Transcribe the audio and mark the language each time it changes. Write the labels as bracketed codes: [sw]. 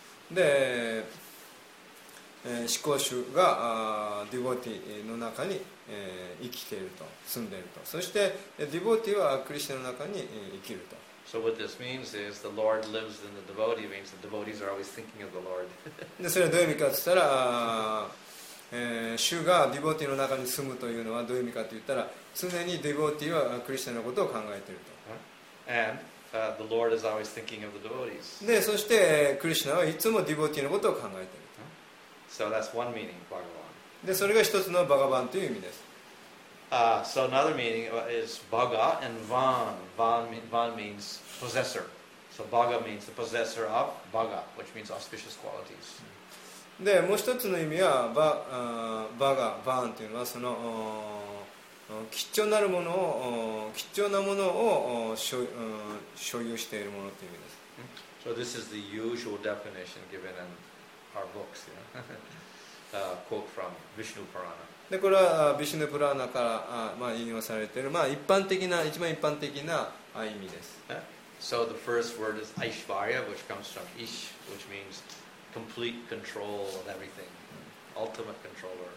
[ja] で、思考主が、デボティの中に。生きていると、住んでいると。そして、ディボティはクリシュナの中に生きると。 [en] So what this means is the Lord lives in the devotee, means the devotees are always thinking of the Lord. [ja] で、それはどういう意味かといったら、主がディボティの中に住むというのはどういう意味かといったら、常にディボティはクリシュナのことを考えていると。 [en] And the Lord is always thinking of the devotees. [ja] で、そして、クリシュナはいつもディボティのことを考えていると。 [en] So that's one meaning, Bhagavan. [ja] で、それが一つのバガバンという意味です。 [en] So another meaning is baga and van. Van means possessor. So baga means the possessor of baga, which means auspicious qualities. [ja] で、もう一つの意味はバガ、バンというのはその貴重なるものを貴重なものを所有しているものという意味です。 [en] So this is the usual definition given in our books. You know? quote from Vishnu Purana. [ja] でこれはビシュヌプラーナから、まあ、引用されている、まあ、一般的な一番一般的な意味です。 [en] So the first word is Aishvarya, which comes from Ish, which means complete control of everything, ultimate controller.